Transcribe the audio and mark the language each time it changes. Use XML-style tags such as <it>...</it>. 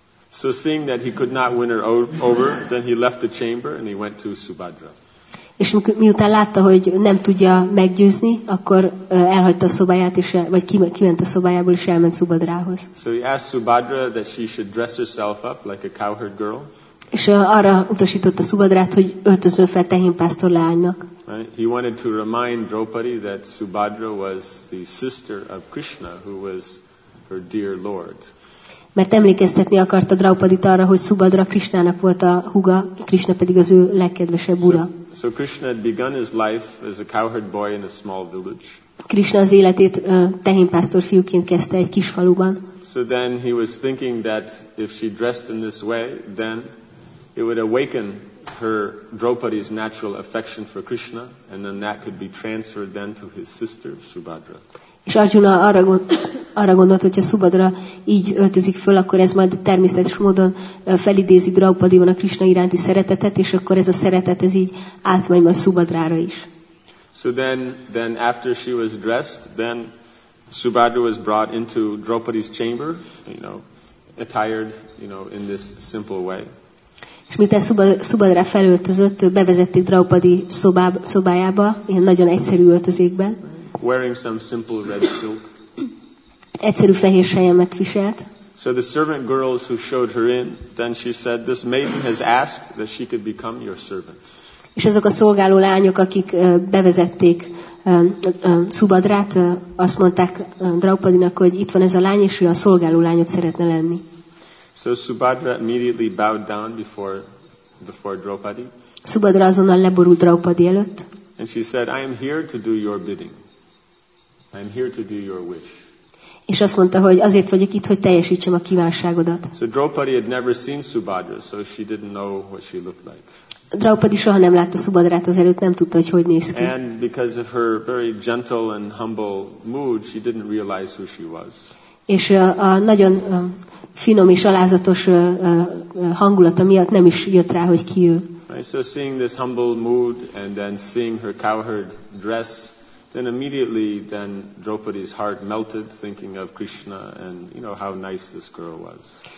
<en>So seeing that he could not win her over, then he left the chamber and he went to Subhadra.</en> <hu>És miután látta, hogy nem tudja meggyőzni, akkor elhagyta a szobáját és vagy kiment a szobájából és elment Subhadrához.</hu> <en>So he asked Subhadra that she should dress herself up like a cowherd girl.</en> <hu>És arra utasította Subhadrát, hogy öltözön fel tehénpásztor leánynak.</hu> <en>Right? He wanted to remind Draupadi that Subhadra was the sister of Krishna, who was her dear lord.</en> <hu>Mert emlékeztetni akarta Draupadit arra, hogy Subhadra Krishnának volt a húga, Krishna pedig az ő legkedvesebb ura.</hu> <en>So Krishna had begun his life as a cowherd boy in a small village.</en> <hu>Krishna az életét tehénpásztor fiúként kezdte egy kis faluban.</hu> <en>So then he was thinking that if she dressed in this way, then it would awaken her Draupadi's natural affection for Krishna, and then that could be transferred then to his sister Subhadra.</en> <hu>És Arjuna arra gondolt, hogy ha Subhadra így öltözik föl, akkor ez majd természetes módon felidézi Draupadiban a Krishna iránti szeretetet, és akkor ez a szeretet ez így átmegy majd Subhadrára is.</hu> <en>So then after she was dressed, then Subhadra was brought into Draupadi's chamber, you know, attired, you know, in this simple way.</en> <hu>És miután Subhadra felöltözött, bevezették Draupadi szobájába, ilyen nagyon egyszerű öltözékben.</hu> <en>Wearing some simple red silk.</en> <hu>Egyszerű fehér selyemet viselt.</hu> <en>So the servant girls who showed her in, then she said, "This maiden has asked that she could become your servant."</en> <hu>És azok a szolgáló lányok, akik bevezették Subhadrát, azt mondták Draupadinak, hogy itt van ez a lány, és ő a szolgáló lányot szeretne lenni.</hu> <en>So Subhadra immediately bowed down before Draupadi.</en> <hu>Subhadra azonnal leborult Draupadi előtt.</hu> <en>And she said, "I am here to do your bidding. I'm here to do your wish."</en> <hu>És azt mondta, hogy azért vagyok itt, hogy teljesítsem a kívánságodat.</hu> <en>So Draupadi had never seen Subhadra, so she didn't know what she looked like.</en> <hu>Draupadi soha nem látta Subhadrát azelőtt, nem tudta, hogy hogy néz ki.</hu> <en>And because of her very gentle and humble mood, she didn't realize who she was.</en> <hu>És a nagyon finom és alázatos hangulata miatt nem is jött rá, hogy ki ő.</hu> <en>Right, so seeing this humble mood and then seeing her cowherd dress, then immediately then Draupadi's heart melted thinking of Krishna and you know how nice this girl was.</en>